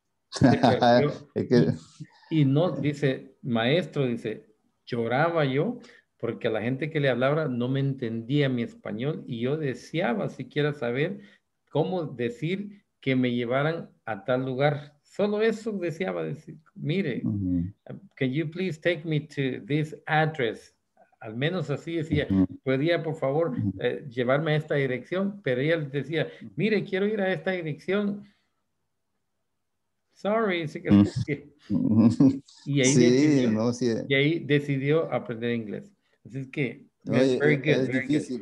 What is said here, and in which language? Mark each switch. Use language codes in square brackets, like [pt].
[es] Se perdió y no, dice, maestro, dice, lloraba yo porque a la gente que le hablaba no me entendía mi español y yo deseaba siquiera saber cómo decir que me llevaran a tal lugar. Solo eso deseaba decir. Mire, [en] can you please take me to this address? [es] Al menos así decía. ¿Podría, por favor, llevarme a esta dirección? Pero ella decía, mire, quiero ir a esta dirección. Sorry, sí que... Y ahí Sí, decidió, no, sí. y ahí decidió aprender inglés. Así es que, [en] very good, [es] Oye, es [en] very [es] difícil.